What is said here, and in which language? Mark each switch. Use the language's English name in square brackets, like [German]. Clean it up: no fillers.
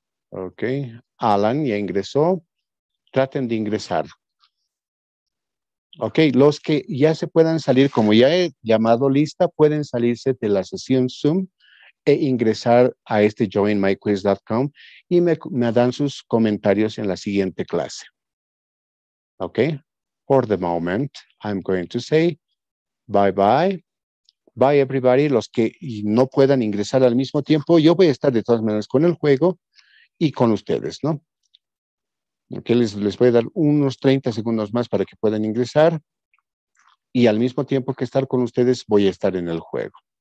[Spanish] Ok, Alan ya ingresó. Traten de ingresar. Ok, los que ya se puedan salir, como ya he llamado lista, pueden salirse de la sesión Zoom e ingresar a este joinmyquiz.com y me dan sus comentarios en la siguiente clase. [English] Ok, for the moment, I'm going to say bye bye. Bye everybody, [Spanish] los que no puedan ingresar al mismo tiempo, yo voy a estar de todas maneras con el juego y con ustedes, ¿no? Okay, les voy a dar unos 30 segundos más para que puedan ingresar y al mismo tiempo que estar con ustedes voy a estar en el juego.